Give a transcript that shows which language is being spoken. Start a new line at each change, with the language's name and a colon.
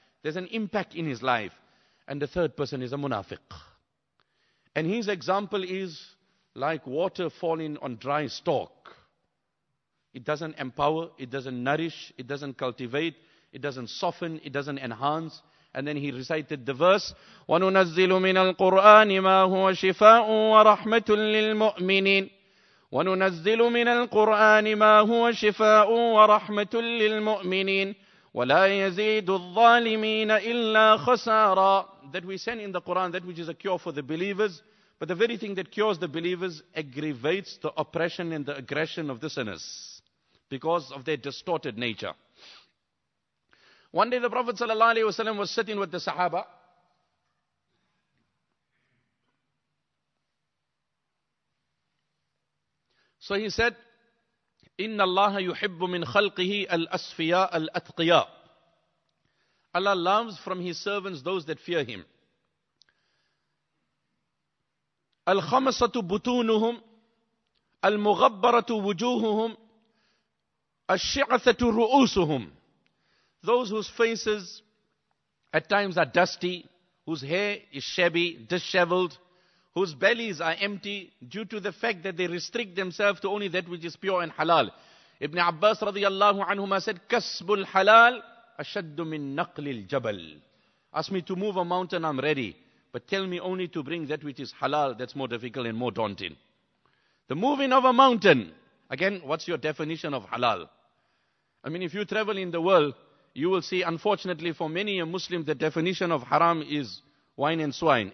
English: There's an impact in his life. And the third person is a munafiq. And his example is like water falling on dry stalk. It doesn't empower, it doesn't nourish, it doesn't cultivate, it doesn't soften, it doesn't enhance. And then he recited the verse,
Arabic: وَنُنَزِّلُ مِنَ الْقُرْآنِ مَا هُوَ شِفَاءٌ وَرَحْمَةٌ لِلْمُؤْمِنِينَ وَنُنَزِّلُ مِنَ الْقُرْآنِ مَا هُوَ شِفَاءٌ وَرَحْمَةٌ لِلْمُؤْمِنِينَ وَلَا يَزِيدُ الظَّالِمِينَ إِلَّا خَسَارًا.
English: That we send in the Quran, that which is a cure for the believers. But the very thing that cures the believers aggravates the oppression and the aggression of the sinners because of their distorted nature. One day the Prophet ﷺ was sitting with the Sahaba. So he said,
Arabic: إِنَّ اللَّهَ يُحِبُّ مِنْ خَلْقِهِ الْأَسْفِيَاءَ الْأَتْقِيَاءَ.
English: Allah loves from His servants those that fear Him.
Arabic: الخمسة بطونهم المغبرة وجوههم الشعثة رؤوسهم.
English: Those whose faces at times are dusty, whose hair is shabby, disheveled, whose bellies are empty due to the fact that they restrict themselves to only that which is pure and halal. Ibn Abbas radiallahu anhu said,
Arabic: كسب الحلال أشد من نقل الجبل.
English: Ask me to move a mountain, I'm ready. But tell me only to bring that which is halal, that's more difficult and more daunting. The moving of a mountain. Again, what's your definition of halal? I mean, if you travel in the world, you will see, unfortunately, for many a Muslim, the definition of haram is wine and swine.